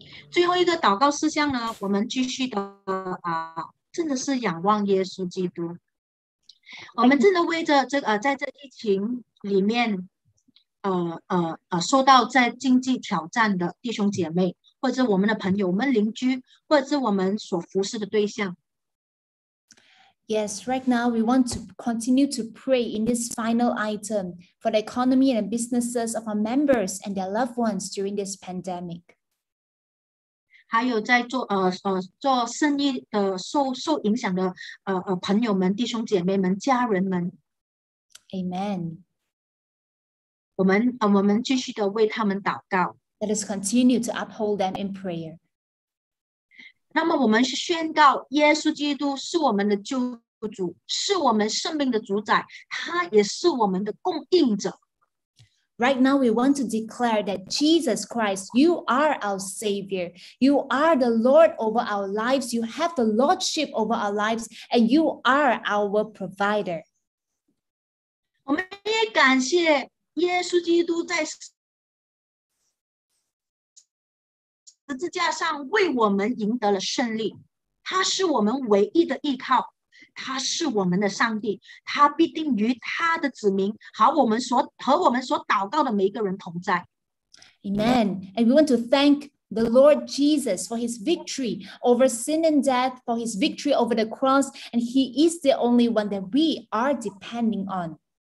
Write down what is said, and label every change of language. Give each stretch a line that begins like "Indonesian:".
Chinese: 最后一个祷告事项呢，我们继续的真的是仰望耶稣基督。我们真的为着这个在这疫情里面受到在经济挑战的弟兄姐妹，或者我们的朋友，我们邻居，或者我们所服侍的对象。
English: Yes, right now we want to continue to pray in this final item for the economy and businesses of our members and their loved ones during this pandemic.
Chinese: 还有在做做生意的受影响的朋友们、弟兄姐妹们、家人们
English: ，Amen。
Chinese: 我们继续的为他们祷告。
English: Let us continue to uphold them in prayer。
Chinese: 那么我们是宣告耶稣基督是我们的救主，是我们生命的主宰，他也是我们的供应者。
English: Right now, we want to declare that Jesus Christ, you are our Savior. You are the Lord over our lives. You have the Lordship over our lives, and you are our provider. We also thank Jesus Christ on the cross for winning for us. He is our only trust.
Chinese: 他是我们的上帝，他必定与他的子民和我们所祷告的每一个人同在。
English: Amen. And we want to thank the Lord Jesus for his victory over sin and death, for his victory over the cross, and he is the only one that we are depending on.